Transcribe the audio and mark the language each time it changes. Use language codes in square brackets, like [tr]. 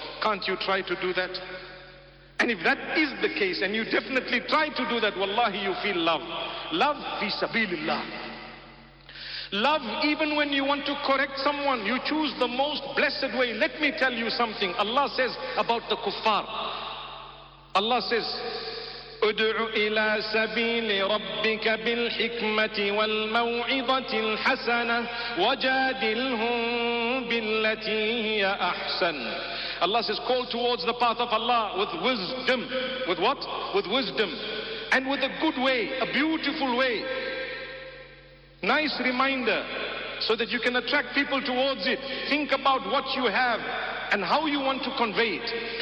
[en] Can't you try to do that? And if that is the case, and you definitely try to do that, wallahi, you feel love. Love fi sabilillah. Love, even when you want to correct someone, you choose the most blessed way. Let me tell you something. Allah says about the kuffar. Allah says, [ar] ادعوا إلى سبيل ربك بالحكمة والموعظة الحسنة وجادلهم بالتي هي أحسن. [en] Allah says, call towards the path of Allah with wisdom. With what? With wisdom. And with a good way, a beautiful way. Nice reminder, so that you can attract people towards it. Think about what you have and how you want to convey it.